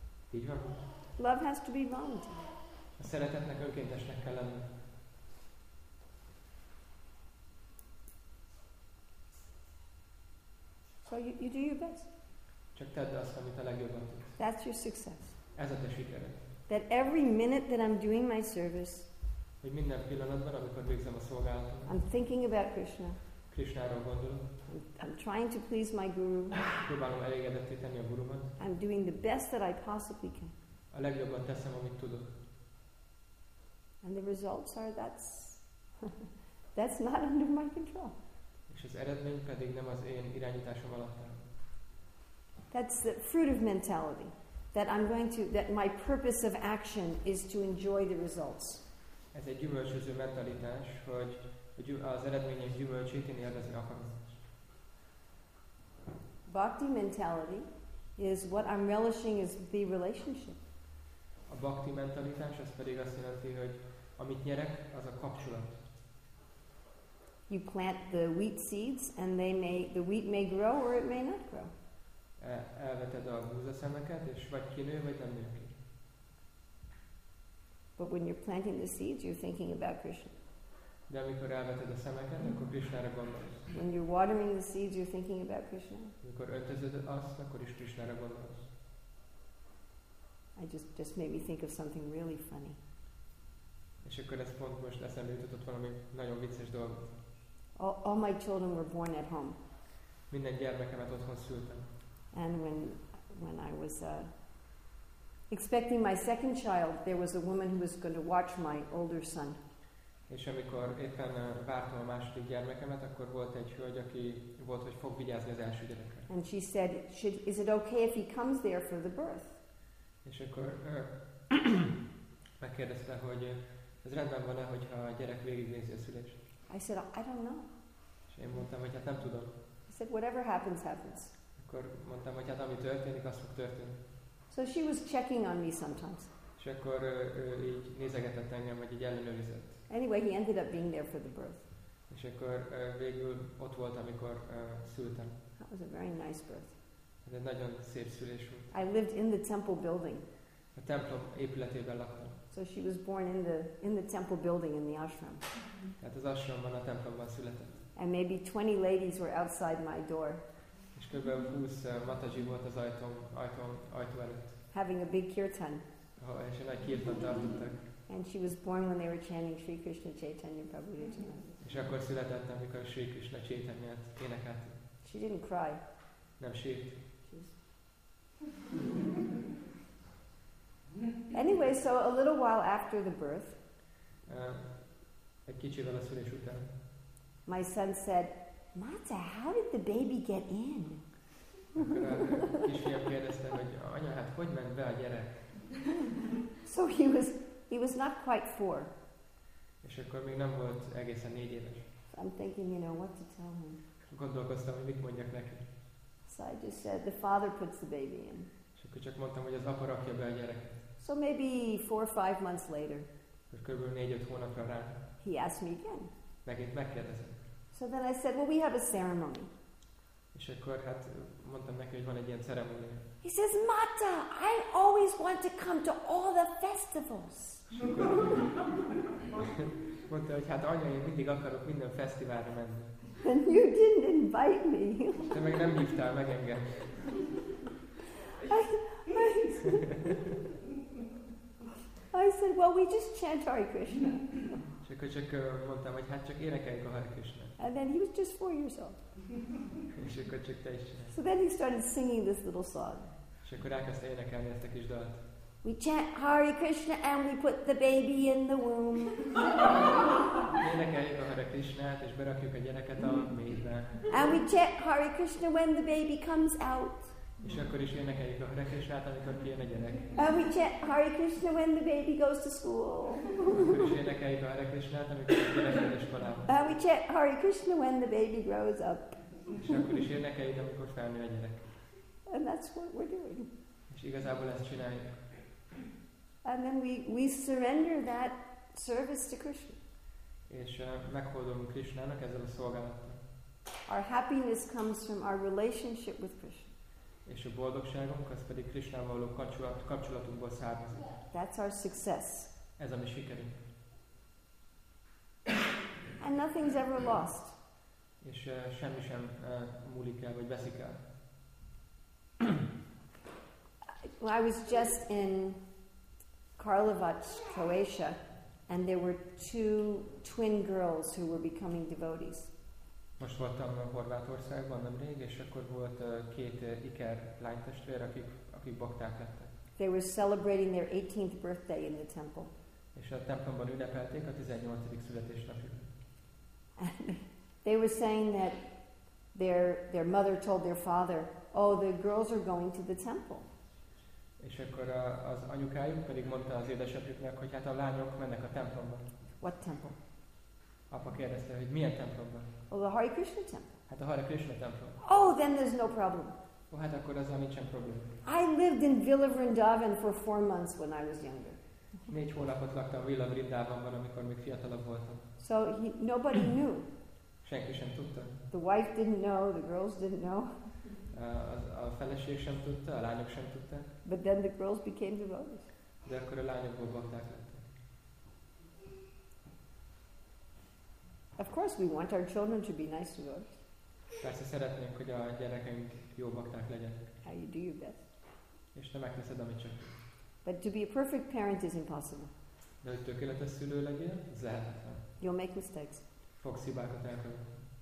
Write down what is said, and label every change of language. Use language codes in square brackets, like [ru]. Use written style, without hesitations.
[hu] Így van. [en] Love has to be voluntary. [hu] A szeretetnek önkéntesnek kell lenni. [en] So you do your best. [hu] Csak tedd azt, amit a legjobban tudsz. [en] That's your success. [hu] Ez a te sikered. [en] That every minute that I'm doing my service. [hu] Hogy minden pillanatban, amikor végzem a szolgálatot. [en] I'm thinking about Krishna. [hu] Krishnáról gondolom. [en] I'm trying to please my guru. [hu] Próbálom elégedetté tenni a gurumat. [en] I'm doing the best that I possibly can. [hu] A legjobban teszem, amit tudok. [en] And the results are that's not under my control. [hu] És az eredmény pedig nem az én irányításom alatt. [en] That's the fruit of mentality. That my purpose of action is to enjoy the results. [hu] Ez egy gyümölcsöző mentalitás, hogy az eredmények gyümölcsét én élvezni akarom. [en] Bhakti mentality is what I'm relishing is the relationship. [hu] A bhakti mentalitás az pedig azt jelenti, hogy amit nyerek, az a kapcsolat. [en] You plant the wheat seeds, and they may the wheat may grow or it may not grow. [hu] Elveted a húzaszemeket, és vagy kinő, vagy nem nő ki. [en] But when you're planting the seeds, you're thinking about Krishna. [hu] De amikor elveted a szemeket, akkor Krishnára gondolsz. [en] When you're watering the seeds, you're thinking about Krishna. [hu] Amikor öntözöd azt, akkor is Krishnára gondolsz. [en] I just made me think of something really funny. [hu] És akkor ez pont most eszembe jutott valami nagyon vicces dolgot. [en] All my children were born at home. [hu] Minden gyermekemet otthon szültem. [en] And when I was expecting my second child, there was a woman who was going to watch my older son. [hu] És amikor éppen vártam a második gyermekemet, akkor volt egy hölgy, aki volt, hogy fog vigyázni az első gyerekre. [en] And she said, is it okay if he comes there for the birth? [hu] És akkor megkérdezte, hogy ez rendben van-e, hogyha a gyerek végignézi a szülést. [en] I said, I don't know. [hu] És én mondtam, hogy hát nem tudom. [en] I said, whatever happens, happens. [hu] Akkor mondtam, hogy hát ami történik, az fog történni. [en] So she was checking on me sometimes. [hu] És akkor így nézegetett engem, hogy így ellenőrizett. [en] Anyway, he ended up being there for the birth. [hu] És akkor végül ott volt, amikor szültem. [en] That was a very nice birth. [hu] Ez egy nagyon szép szülés volt. [en] I lived in the temple building. [hu] A templom épületében laktam. [en] So she was born in the temple building in the ashram. [hu] Hát az ashramban, a templomban született. [en] And maybe 20 ladies were outside my door. [hu] És kb. 20 mataji volt az ajtó előtt. [en] Having a big kirtan. [hu] És egy nagy kirtan tartottak. [en] And she was born when they were chanting Sri Krishna Chaitanya Prabhu. [hu] És akkor született, amikor Sri Krishna Chaitanya énekelt. [en] She didn't cry. [hu] Nem sírt. [en] Anyway, so a little while after the birth, [hu] egy kicsivel a szülés után, [en] my son said, Mata, how did the baby get in? [hu] A kisfiam kérdezte, hogy anya, hát hogy ment be a gyerek? [en] So he was not quite 4. [hu] És akkor még nem volt egészen 4 éves. [en] So I'm thinking, you know, what to tell him. [hu] Gondolkoztam, hogy mit mondjak neki. [en] So I just said, the father puts the baby in. [hu] És akkor csak mondtam, hogy az apa rakja be a gyereket. [en] So maybe 4 or 5 months later. [hu] És körülbelül 4-5 hónapra rá. [en] He asked me again. [hu] Megint megkérdezett. [en] So then I said, well, we have a ceremony. [hu] És akkor hát mondtam neki, hogy van egy ilyen ceremónia. [en] He says, Mata, I always want to come to all the festivals. [hu] Mondta, hogy hát anya, én mindig akarok minden fesztiválra menni. [en] And you didn't invite me. [hu] Te meg nem hívtál meg engem. [en] I said, well, we just chant Hare Krishna. [hu] És akkor csak mondtam, hogy hát csak énekeljük a Hare Krishna. [en] And then he was just 4 years old. [hu] És akkor csak te is csinál. [en] So then he started singing this little song. [hu] És akkor elkezdte énekelni ezt a kis dalt. [en] We chant Hare Krishna and we put the baby in the womb. [hu] Énekeljük a Hare Krishnát és berakjuk a gyereket a méhbe. [en] And we chant Hare Krishna when the baby comes out. [hu] És akkor is énekeljük a Hare Krishnát, amikor kijön a gyerek. [en] And we chant Hare Krishna when the baby goes to school. [hu] Akkor is énekeljük a Hare Krishnát, amikor a gyerek jön iskolába. [en] And we chant Hare Krishna when the baby grows up. [hu] És akkor is énekeljük, amikor felnő a gyerek. [en] And that's what we're doing. [hu] És igazából ezt csináljuk. [en] And then we surrender that service to Krishna. [hu] És meghódolunk Krishnának ezzel a szolgálattal. [en] Our happiness comes from our relationship with Krishna. [hu] És a boldogságunk, az pedig Krisnával való kapcsolatunkból származik. [en] That's our success. [hu] Ez a mi sikerünk. [en] And nothing's ever lost. [hu] És semmi sem múlik el, vagy veszik el. [en] I was just in Karlovac, Croatia, and there were 2 twin girls who were becoming devotees. [hu] Most voltam Horvátországban nemrég, és akkor volt 2 iker lánytestvér, akik bakták lettek. [en] They were celebrating their 18th birthday in the temple. [hu] És a templomban ünnepelték a 18. születésnapjukat. [en] They were saying that their mother told their father, oh, the girls are going to the temple. [hu] És akkor az anyukájuk pedig mondta az édesapjuknak, hogy hát a lányok mennek a templomba. [en] What temple? [hu] Apa kérdezte, hogy milyen templomban? [en] Well, the Hare Krishna temple. [hu] Hát a Hare Krishna templom. [en] Oh, then there's no problem. [hu] Oh, hát akkor azzal nincsen probléma. [en] I lived in Villa Vrindavan for 4 months when I was younger. [hu] 4 hónapot laktam Villa Vrindavanban, amikor még fiatalabb voltam. [en] So nobody knew. [hu] Senki sem tudta. [en] The wife didn't know, the girls didn't know. [hu] A feleség sem tudta, a lányok sem tudta. [en] But then the girls became devotees. [hu] De akkor a lányokból bakták lettek. [en] Of course we want our children to be nice devotees. [hu] Persze szeretnénk, hogy a gyerekeink jó bakták legyenek. [en] How you do your best. [hu] És te megteszed, amit csak. [en] But to be a perfect parent is impossible. [hu] De hogy tökéletes szülő legyél, ez lehetetlen. [en] You'll make mistakes. [hu] Fogsz hibákat elkövetni.